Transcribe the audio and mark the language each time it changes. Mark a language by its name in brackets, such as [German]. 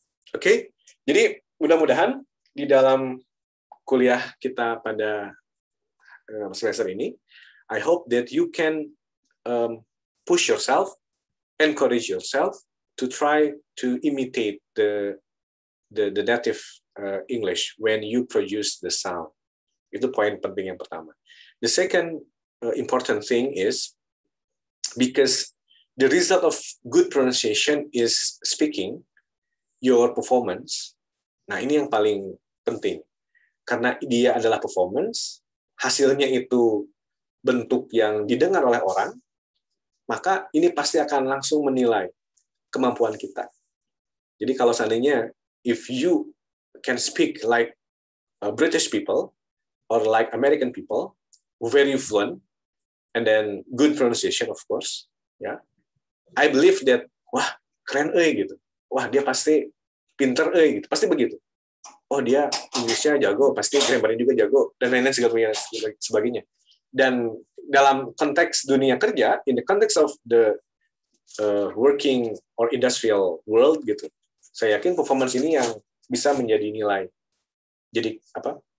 [Indonesian] Oke, jadi mudah-mudahan di dalam kuliah kita pada semester ini, [English] I hope that you can push yourself, encourage yourself to try to imitate the native English when you produce the sound. [Indonesian] Itu poin penting yang pertama. [English] The second important thing is because the result of good pronunciation is speaking, your performance. [Indonesian] Nah, ini yang paling penting. Karena dia adalah performance, hasilnya itu bentuk yang didengar oleh orang, maka ini pasti akan langsung menilai kemampuan kita. Jadi kalau seandainya, [English] if you can speak like British people or like American people, very fluent, and then good pronunciation of course, yeah, I believe that, [Indonesian] wah keren gitu. Wah dia pasti pinter gitu. Pasti begitu. Oh dia Inggrisnya jago, pasti grammarnya juga jago, dan lain-lain segala sebagainya. Dan dalam konteks dunia kerja, [English] in the context of the working or industrial world [Indonesian] gitu, saya yakin performance ini yang bisa menjadi nilai. Jadi apa?